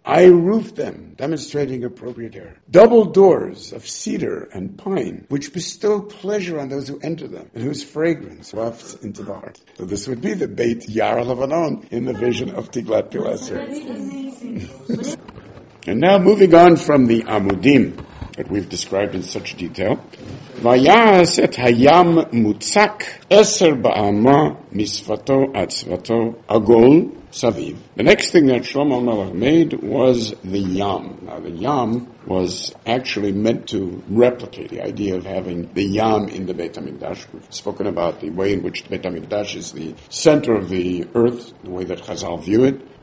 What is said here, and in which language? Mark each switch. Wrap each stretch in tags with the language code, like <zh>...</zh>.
<en>I roofed them, demonstrating appropriate air. Double doors of cedar and pine, which bestow pleasure on those who enter them, and whose fragrance wafts into the heart. So this would be the Beit Yar Lebanon in the vision of Tiglath-Pileser. And now moving on from the Amudim that we've described in such detail,</en> <he>ויעס את הים מוצק עשר באמה משפתו עד שפתו עגול סביב.</he> <en>The next thing that Shlomo HaMelech made was the yam. Now the yam was actually meant to replicate the idea of having the yam in the Beit HaMikdash. We've spoken about the way in which the Beit HaMikdash is the center of the earth, the way that Chazal view it.</en>